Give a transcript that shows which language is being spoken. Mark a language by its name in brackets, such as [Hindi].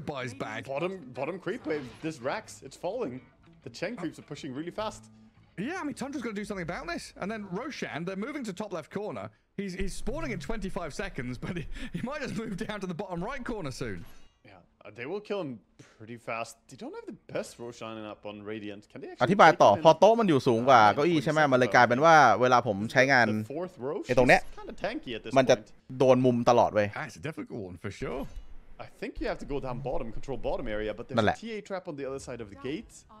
[English] bottom creep wave this Rax it's falling the Chen creeps are pushing really fast yeah I mean Tundra's gonna do something about this and then Roshan they're moving to top left corner he's spawning in 25 seconds but he might just move down to the bottom right corner soon yeah they will kill him pretty fast they don't have the best Roshan up on Radiant can they [Thai] อธิบายต่อพอโต๊ะมันอยู่สูงกว่าเก้าอี้ใช่ไหมมันเลยกลายเป็นว่าเวลาผมใช้งานไอ้ตรงเนี้ ยมันจะโดนมุมตลอดเว้ย [English] That's a difficult one for sure I think you have to go down bottom control bottom area but there's a TA trap on the other side of the gate